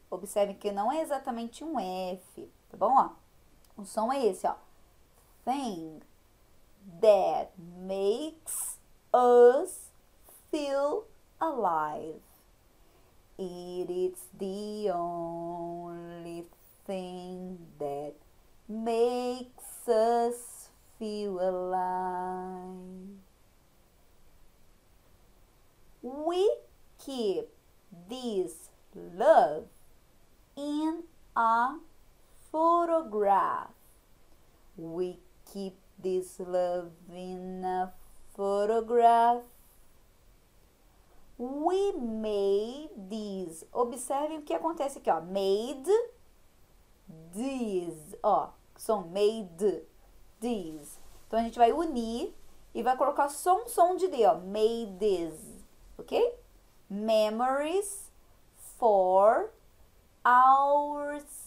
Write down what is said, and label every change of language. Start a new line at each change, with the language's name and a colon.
Portuguese: Observe que não é exatamente um F, tá bom? Ó, o som é esse, ó.
English: Thing that makes us feel alive. It is the only thing that makes us feel alive. We keep this love in a photograph. We keep this love in a photograph. We made these.
Portuguese: Observe o que acontece aqui, ó.
English: Made these.
Portuguese: Ó, som
English: made these.
Portuguese: Então a gente vai unir e vai colocar só um som de D, ó.
English: Made these. Ok? Memories for ourselves.